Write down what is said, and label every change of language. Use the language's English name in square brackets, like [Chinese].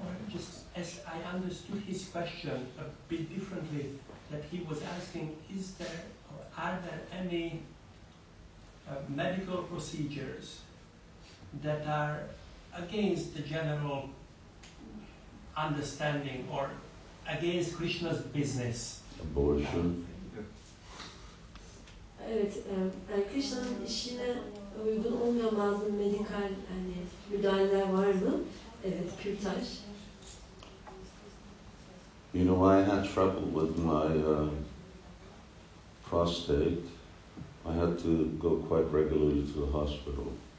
[English] just as I understood his question a bit differently, that he was asking, is there, or are there any medical procedures that are against the general understanding or against Krishna's business? Abortion. [Turkish] Evet, Krishna'nın işine uygun olmayan bazı medikal hani müdahaleler var mı? Evet, kürtaj. [English] You know, I had trouble with my prostate. I had to go quite regularly to the hospital.